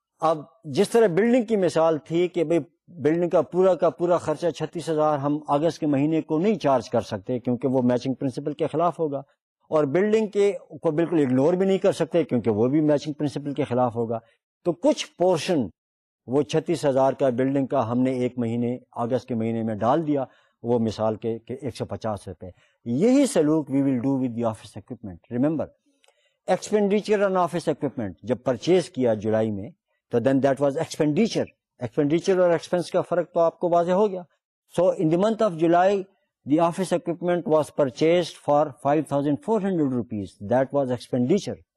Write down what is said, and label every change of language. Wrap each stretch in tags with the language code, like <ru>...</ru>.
<ur>اب جس طرح بلڈنگ کی مثال تھی کہ بھائی بلڈنگ کا پورا خرچہ 36,000 ہم اگست کے مہینے کو نہیں چارج کر سکتے کیونکہ وہ میچنگ پرنسپل کے خلاف ہوگا, اور بلڈنگ کے کو بالکل اگنور بھی نہیں کر سکتے کیونکہ وہ بھی میچنگ پرنسپل کے خلاف ہوگا, تو کچھ پورشن وہ 36,000 کا بلڈنگ کا ہم نے ایک مہینے اگست کے مہینے میں ڈال دیا, وہ مثال کے 150 روپے. یہی سلوک</ur> <en>We will do with the office equipment. Remember expenditure on office equipment</en> <ur>جب پرچیز کیا جولائی میں,</ur> <en>تو then that was expenditure.</en> <ur>ایکسپینڈیچر اور ایکسپینس کا فرق تو آپ کو واضح ہو گیا.</ur> <en>So in the month of July the office equipment was purchased for 5,400 rupees, that was expenditure.</en>